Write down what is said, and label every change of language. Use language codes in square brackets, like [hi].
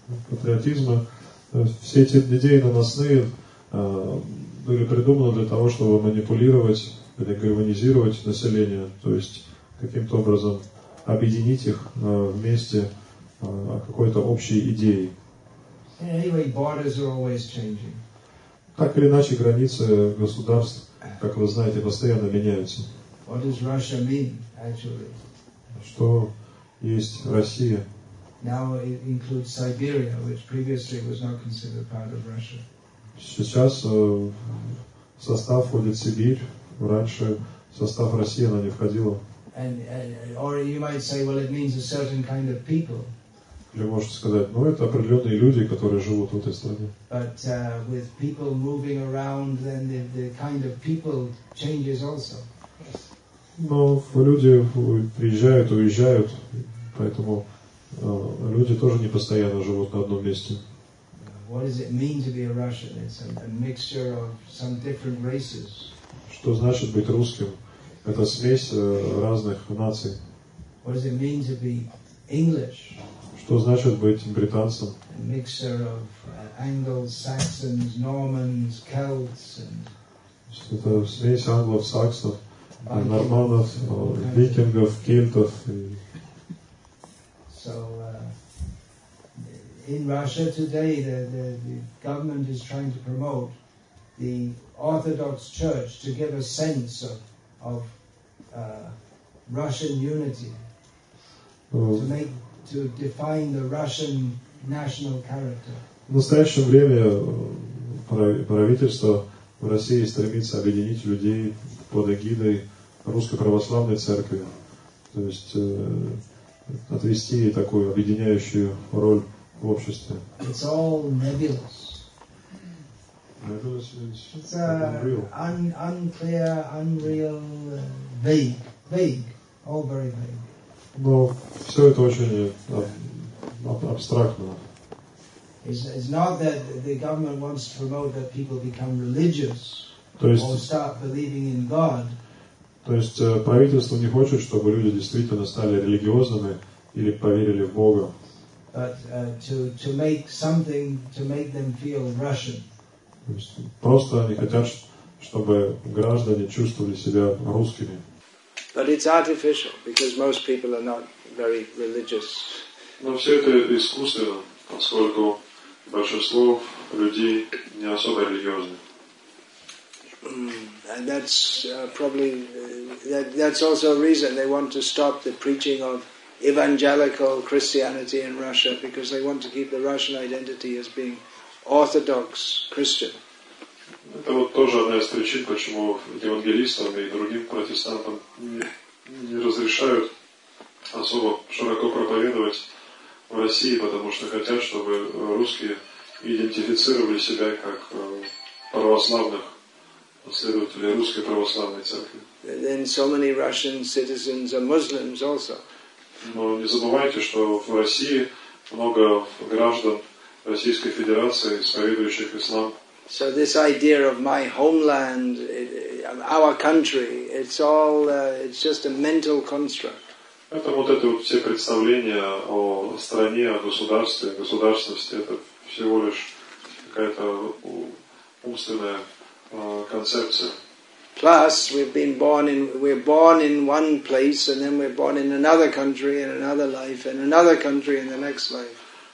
[ru] Патриотизма. Все эти идеи наносные были придуманы для того, чтобы манипулировать или гальванизировать население, то есть каким-то образом объединить их вместе какой-то общей идеей. [en] Anyway, borders are always changing. [ru] Так или иначе, границы государств, как вы знаете, постоянно меняются. [en] What does Russia mean, actually? [ru] Что есть Россия? [en] Now it includes Siberia, which previously was not considered part of Russia. [ru] Сейчас в состав входит Сибирь. Раньше в состав России она не входила. [en] Or you might say, well, it means a certain kind of people. [ru] Или можете сказать, ну, это определенные люди, которые живут в этой стране. [en] But with people moving around, then the kind of people changes also. [ru] Но люди приезжают, уезжают, поэтому люди тоже не постоянно живут на одном месте. [en] What does it mean to be a Russian? It's a mixture of some different races. [ru] Что значит быть русским? Это смесь разных наций. [en] What does it mean to be English? [ru] Что значит быть британцем? [en] A mixture of Angles, Saxons, Normans, Celts, and... [ru] Это смесь англов, саксов, норманов, викингов, кельтов. [en] So, in Russia today, the government is trying to promote the Orthodox Church to give a sense of Russian unity. To define the Russian national character. [ru] В настоящее время правительство в России стремится объединить людей под эгидой Русской Православной Церкви, то есть отвести такую объединяющую роль в обществе. [en] It's all nebulous. Nebulous means it's unclear, unreal, vague, all very vague. [ru] Но все это очень абстрактно. [en] It's not that the government wants to promote that people become religious or start believing in God. [ru] То есть правительство не хочет, чтобы люди действительно стали религиозными или поверили в Бога. [en] But to make something to make them feel Russian. [ru] То есть просто они хотят, чтобы граждане чувствовали себя русскими. [en] But it's artificial because most people are not very religious. [ru] Но все это искусственно, поскольку большинство людей не особо религиозны. [en] And that's probably that's also a reason they want to stop the preaching of evangelical Christianity in Russia, because they want to keep the Russian identity as being Orthodox Christian. [ru] Это вот тоже одна из причин, почему евангелистам и другим протестантам не разрешают особо широко проповедовать в России, потому что хотят, чтобы русские идентифицировали себя как православных, последователей Русской Православной Церкви. [en] Then so many Russian citizens are Muslims also. [ru] Но не забывайте, что в России много граждан Российской Федерации, исповедующих ислам. [en] So this idea of my homeland, our country, it's all, it's just a mental construct. [ru] Это вот эти вот все представления о стране, о государстве, о государственности, это всего лишь какая-то умственная концепция. [en] Plus, we've been born in, we're born in one place, and then we're born in another country, in another life, in another country, in the next life.